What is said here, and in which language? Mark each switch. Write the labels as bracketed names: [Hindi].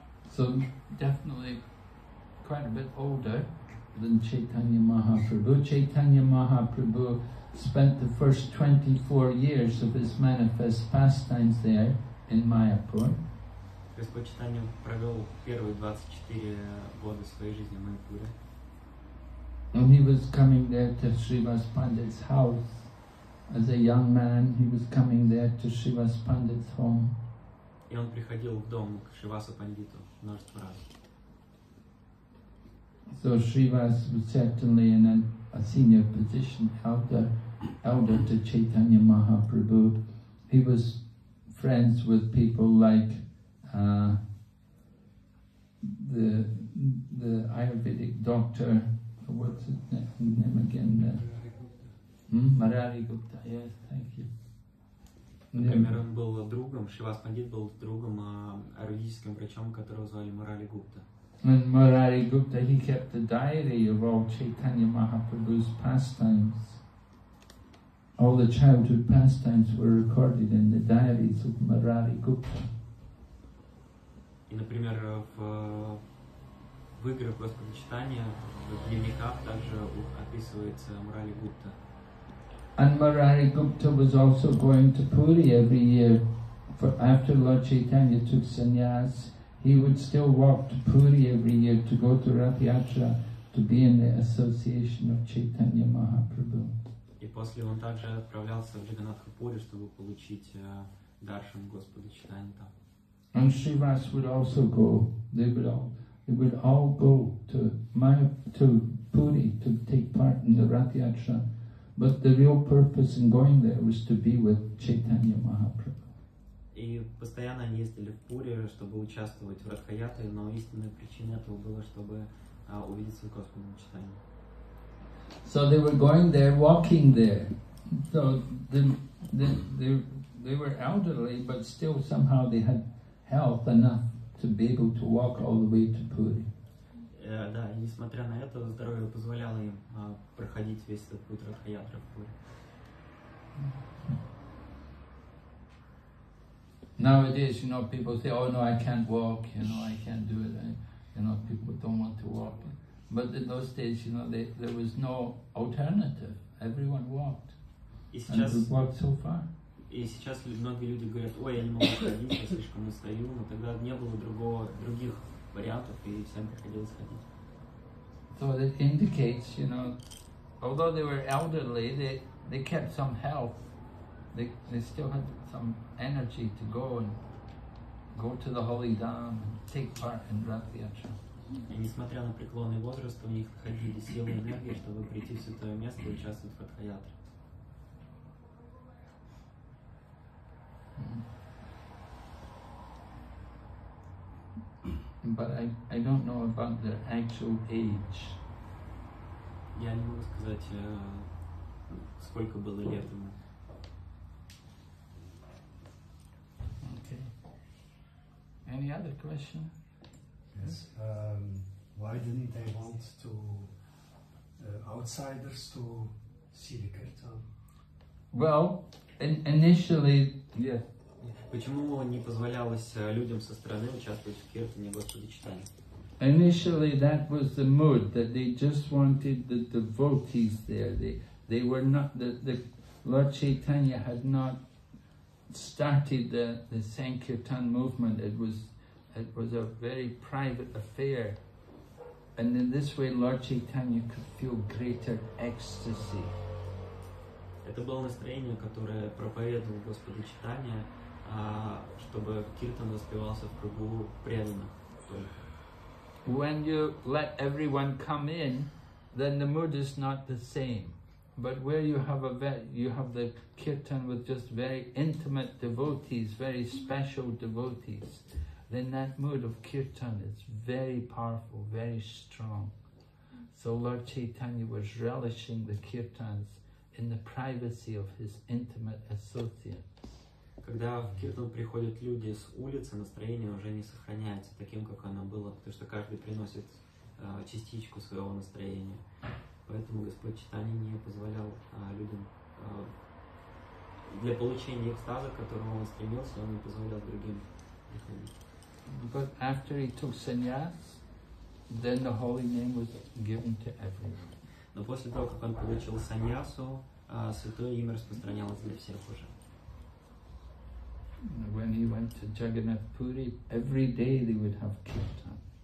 [English] So definitely quite a bit older than Chaitanya Mahaprabhu. Chaitanya Mahaprabhu spent the first 24 years of his manifest pastimes there in Mayapur. [Russian] Господь Читания провел первые 24 года своей жизни в Майпуре. [English] And he was coming there to Shrivas Pandit's house as a young man. He was coming there to Shrivas Pandit's home. [Russian] И он приходил в дом к Шривасу Пандиту множество раз. [English] So Shrivas was certainly in a senior position, elder to Chaitanya Mahaprabhu. He was friends with people like the Ayurvedic doctor, what's his name again? Marari Gupta, yes, thank you. [Russian] Например, он был другом, Шивас Пандит был другом, аюрведическим врачом, которого звали Мурари Гупта. [English] And Murari Gupta, he kept the diary of all Chaitanya Mahaprabhu's pastimes. All the childhood pastimes were recorded in the diaries of Murari Gupta. [Russian] И, например, в играх Господа Читания, в дневниках также описывается Мурари Гупта. [English] And Murari Gupta was also going to Puri every year. For after Lord Chaitanya took sannyas, he would still walk to Puri every year to go to Rath Yatra to be in the association of Chaitanya Mahaprabhu. [Russian] И после он также отправлялся в Джаганнатха Пури, чтобы получить даршан Господа Читания там. [English] And Shrivas would also go. They would all go to Puri to take part in the Rath Yatra. But the real purpose in going there was to be with Chaitanya Mahaprabhu. [Russian] И постоянно они ездили в Пури, чтобы участвовать в Радхаятре, но истинная причина этого была, чтобы увидеть свой Господь на Читании. [English] So they were going there, walking there. So they were elderly, but still somehow they had health enough to be able to walk all the way to Puri. [Russian] Да, и несмотря на это, здоровье позволяло им проходить весь этот путь Радхаятры в Пури. [English] Nowadays, you know, people say, oh no, I can't walk, you know, I can't do it, you know, people don't want to walk. But in those days, you know, there was no alternative. Everyone walked. [Russian] Сейчас, [English] and we walked so far. [Russian] И сейчас многие люди говорят, ой, я не могу ходить, я слишком устаю, но тогда не было других вариантов, и всем приходилось ходить. [English] So that indicates, you know, although they were elderly, they kept some health. They still had some energy to go and go to the holy dham and take part in Rath Yatra. [Russian] И несмотря на преклонный возраст, у них ходили силы и энергии, чтобы прийти в святое место и участвовать в Радха Ятре. [English] But I don't know about their actual age. [Russian] Я не могу сказать, сколько было лет ему. [English] Any other question? Yes. Why didn't they want to outsiders to see the kirtan? Well, initially, yeah. [Russian] Почему не позволялось людям со стороны участвовать в киртане Господа Читания? [English] Initially, that was the mood that they just wanted the devotees there. They were not the Lord Chaitanya had not started the Sankirtan movement. It was a very private affair, and in this way, Lord Chaitanya could feel greater ecstasy. [Russian] Это было настроение, которое проповедовал Господь Читания, чтобы киртан воспевался в кругу преданных. [English] when you let everyone come in, then the mood is not the same. But where you have a the kirtan with just very intimate devotees, very special devotees, then that mood of kirtan is very powerful, very strong. So Lord Chaitanya was relishing the kirtans in the privacy of his intimate associates. [Russian] Когда в киртан приходят люди с улицы, настроение уже не сохраняется таким, как оно было, потому что каждый приносит частичку своего настроения. Поэтому Господь Чайтанья не позволял людям для получения экстаза, к которому он стремился, он не позволял другим приходить. [English] But after he took sannyas, then the holy name was given to everyone. [Russian] Но после того, как он получил саньясу, святое имя распространялось для всех уже. [English] When he went to Jagannath Puri, every day they would have kirtan.